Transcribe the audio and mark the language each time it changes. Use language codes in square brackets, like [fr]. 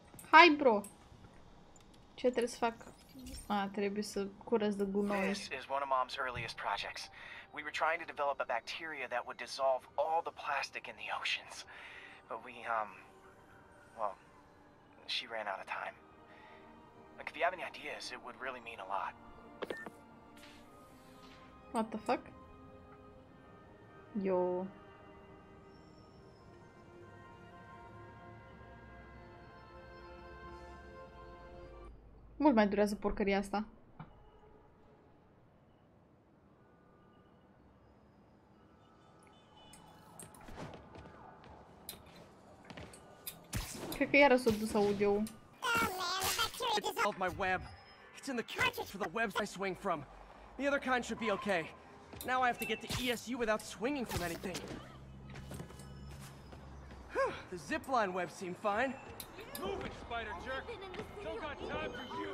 [ro] Hai, bro! Ce trebuie să fac? Trebuie să curăț de gunoi. [en] This is one of Mom's earliest projects. We were trying to develop a bacteria that would dissolve all the plastic in the oceans. But we, well, she ran out of time. Like, if you have any ideas, it would really mean a lot. What the fuck? Yo. [ro] Mult mai durează porcăria asta. Cred că iară s-a dus audio-ul. [en] Dissolved my web. It's in the cartridge for the webs I swing from. The other kind should be okay. Now I have to get to ESU without swinging from anything. The zipline web seemed fine. Move it, spider jerk. Still got time for you.